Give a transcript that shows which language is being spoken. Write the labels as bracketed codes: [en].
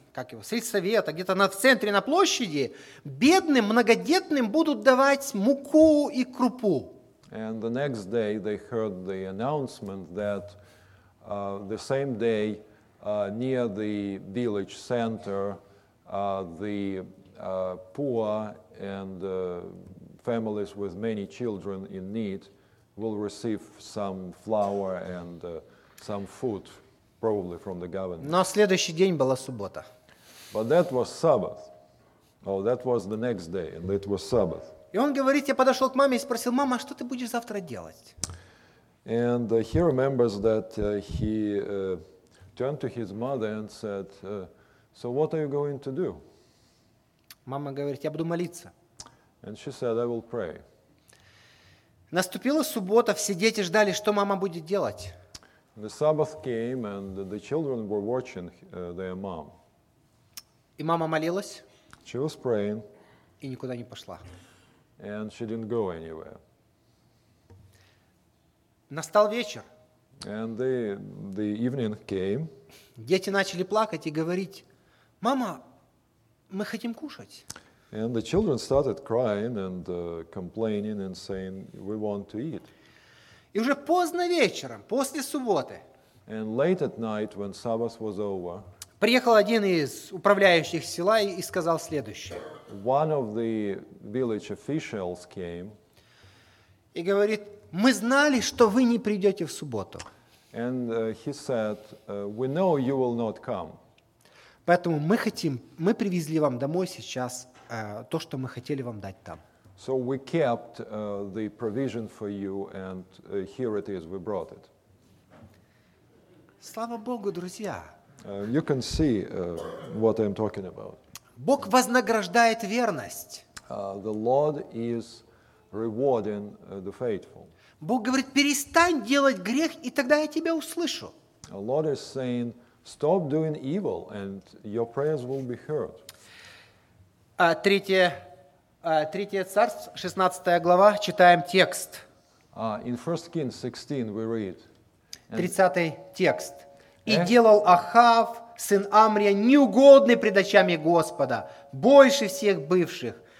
[ru] Как его, сельсовета, где-то в центре на площади, бедным, многодетным будут давать муку и крупу. [en] And the next day they heard the announcement that the same day near the village center the poor and families with many children in need will receive some flour and some food, probably from the government. [ru] На следующий день была суббота. [en] But that was Sabbath. Oh, that was the next day, and it was Sabbath. [ru] И он говорит, я подошел к маме и спросил: "Мама, а что ты будешь завтра делать?" [en] And he remembers that he turned to his mother and said, "So what are you going to do?" [ru] Мама говорит, я буду молиться. [en] And she said, "I will pray." [ru] Наступила суббота, все дети ждали, что мама будет делать. [en] The Sabbath came, and the children were watching their mom. [ru] И мама молилась. [en] She was praying. [ru] И никуда не пошла. [en] And she didn't go anywhere. [ru] Настал вечер. [en] And the evening came. [ru] Дети начали плакать и говорить: "Мама, мы хотим кушать." [en] And the children started crying and complaining and saying, "We want to eat." [ru] И уже поздно вечером, после субботы. [en] And late at night, when Sabbath was over. [ru] Приехал один из управляющих села и сказал следующее. [en] One of the village officials came. [ru] И говорит: "Мы знали, что вы не придете в субботу." [en] And he said, "We know you will not come." [ru] Поэтому мы хотим, мы привезли вам домой сейчас то, что мы хотели вам дать там. [en] So we kept the provision for you, and here it is, we brought it. [ru] Слава Богу, друзья. [en] You can see what I'm talking about. [ru] Бог вознаграждает верность. [en] The Lord is rewarding the faithful. [ru] Бог говорит: "Перестань делать грех, и тогда я тебя услышу." [en] The Lord is saying, "Stop doing evil, and your prayers will be heard." [ru] Третье царство, 16 глава, читаем текст. [en] In 1 Kings 16 we read. [ru] 30 текст. И делал Ахав, сын Амрия, неугодный пред очами Господа, больше всех бывших.